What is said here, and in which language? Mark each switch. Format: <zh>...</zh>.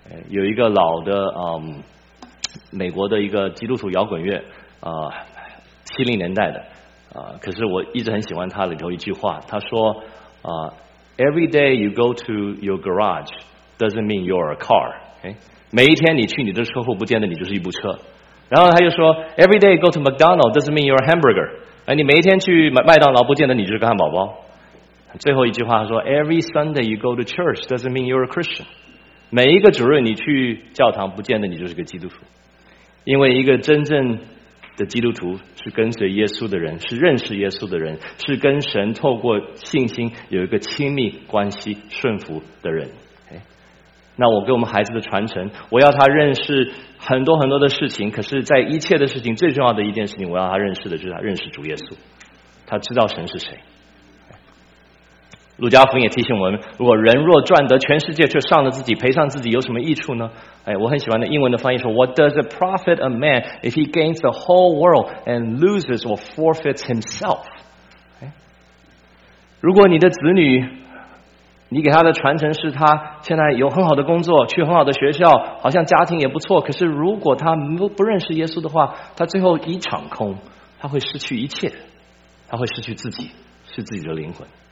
<zh>有一个老的美国的一个基督徒摇滚乐70年代的可是我一直很喜欢他里头一句话，他说</zh> <en>Every day you go to your garage doesn't mean you're a car，</en> <zh>OK？每一天你去你的车库，不见得你就是一部车。然后他又说</zh> <en>，Every day go to McDonald doesn't mean you're a hamburger。</en> <zh>你每一天去麦当劳，不见得你就是个汉堡包。最后一句话说</zh> <en>，Every Sunday you go to church doesn't mean you're a Christian。</en> <zh>每一个主日你去教堂，不见得你就是个基督徒。因为一个真正的基督徒是跟随耶稣的人，是认识耶稣的人，是跟神透过信心有一个亲密关系顺服的人。那我给我们孩子的传承，我要他认识很多很多的事情，可是在一切的事情最重要的一件事情，我要他认识的就是他认识主耶稣，他知道神是谁。路加福音也提醒我们，如果人若赚得全世界却伤了自己，赔上自己，有什么益处呢？我很喜欢的英文的翻译说</zh> <en>What does it profit a man if he gains the whole world and loses or forfeits himself？</en> <zh>如果你的子女，你给他的传承是他现在有很好的工作，去很好的学校，好像家庭也不错，可是如果他不认识耶稣的话，他最后一场空，他会失去一切，他会失去自己，是自己的灵魂。</zh>